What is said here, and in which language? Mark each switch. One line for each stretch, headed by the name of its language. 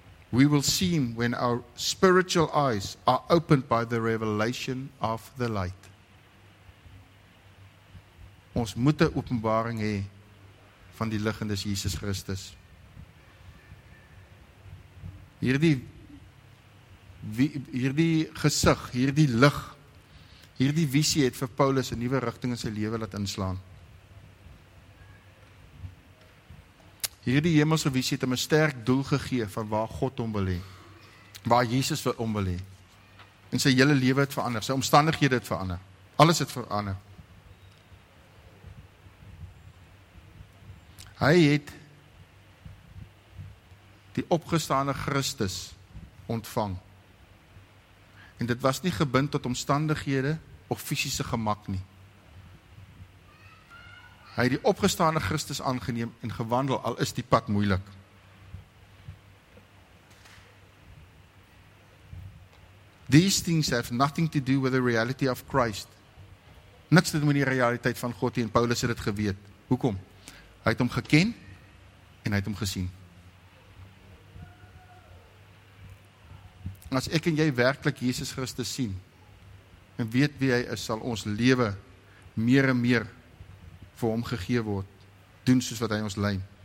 English: We will see him when our spiritual eyes are opened by the revelation of the light.
Afrikaans: Ons moet 'n openbaring hê van die lig en dis Jesus Christus. Hierdie gesig, hierdie lig, hierdie visie het vir Paulus 'n nuwe rigting in sy lewe laat inslaan. Hierdie hemelse visie het hom 'n sterk doel gegee van waar God hom wil hê, waar Jesus vir hom wil hê. En sy hele lewe het verander, sy omstandighede het verander, alles het verander. Hy het die opgestaande Christus ontvang. En dit was nie gebind tot omstandighede of fisiese gemak nie. Hy het die opgestaande Christus aangeneem en gewandel, al is die pad moeilik.
English: These things have nothing to do with the reality of Christ.
Afrikaans: Niks te doen met die realiteit van God nie, en Paulus het dit geweet. Hoekom? Hy het hom geken en hy het hom gesien. As ek en jy werklik Jesus Christus sien en weet wie hy is, sal ons lewe meer en meer vir hom gegee word, doen soos wat hy ons lei.